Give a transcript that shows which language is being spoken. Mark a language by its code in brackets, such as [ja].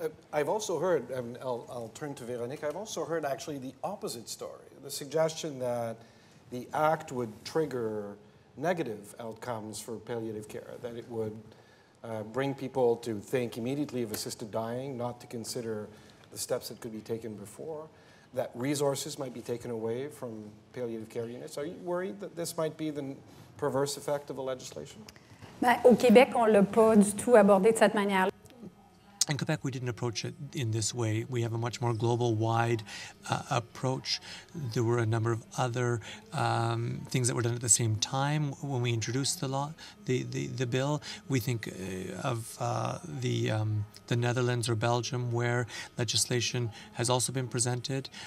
[en] I've also heard, and I'll turn to Veronique, I've also heard actually the opposite story, the suggestion that the act would trigger negative outcomes for palliative care, that it would bring people to think immediately of assisted dying, not to consider the steps that could be taken before, that resources might be taken away from palliative care units. Are you worried that this might be the perverse effect of the legislation? [fr] Ben, au Québec, on l'a pas du tout abordé de cette manière-là. [en] In Quebec, we didn't approach it in this way. We have a much more global, wide approach. There were a number of other things that were done at the same time when we introduced the law, the bill. We think of the Netherlands or Belgium, where legislation has also been presented.